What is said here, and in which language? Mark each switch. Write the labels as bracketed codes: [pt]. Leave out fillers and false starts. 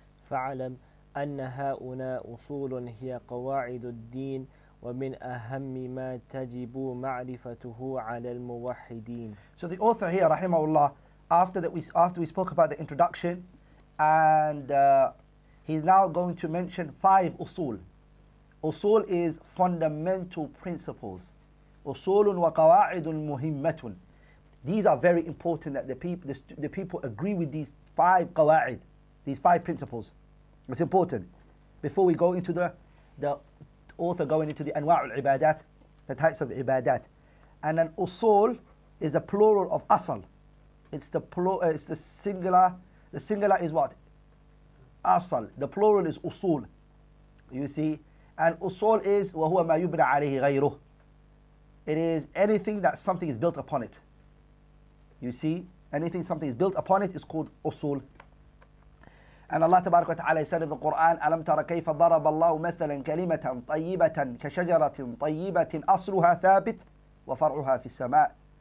[ar] فعلم أن هؤلاء أصول هي قواعد الدين، ومن أهم ما تجب معرفته على الموحدين. [en] So the author here, [ar] رحمه الله, [en] after we spoke about the introduction, and he's now going to mention five أصول. [ar] أصول [en] is fundamental principles. [ar] أصول وقواعد مهمة. [en] These are very important that the people agree with these five قواعد, these five principles. It's important. Before we go into the author going into the [ar] أنواع العبادات, [en] the types of عبادات. And an أصول is a plural of أصل. It's the singular. The singular is what? أصل. The plural is أصول. You see? [ar] And أصول is وهو ما يبنى عليه غيره. [en] It is anything that something is built upon it. You see? Anything something is built upon it is called أصول. And Allah تبارك وتعالى said in the Quran, [ar] أَلَمْ تَرَ كَيْفَ ضَرَبَ اللَّهُ مَثَلًا كَلِمَةً طَيِّبَةً كَشَجَرَةٍ طَيِّبَةٍ أَصْلُهَا ثَابِتٍ وَفَرْعُهَا فِي السَّمَاءِ.